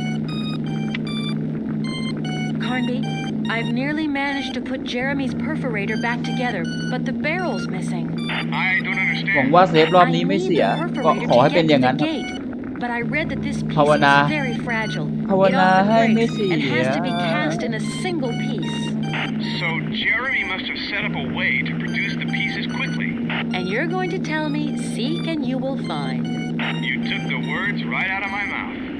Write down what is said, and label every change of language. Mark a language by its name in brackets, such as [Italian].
[English] Carnby, I've nearly managed to put Jeremy's perforator back together, but the barrel's missing. I don't understand. [Thai] หวังว่าเซฟรอบนี้ไม่เสียก็ขอให้เป็นอย่างนั้น [English] But I read that this piece is very fragile. It often breaks and has to be cast in a single piece. So Jeremy must have set up a way to produce the pieces quickly. And you're going to tell me, seek and you will find. You took the words right out of my mouth.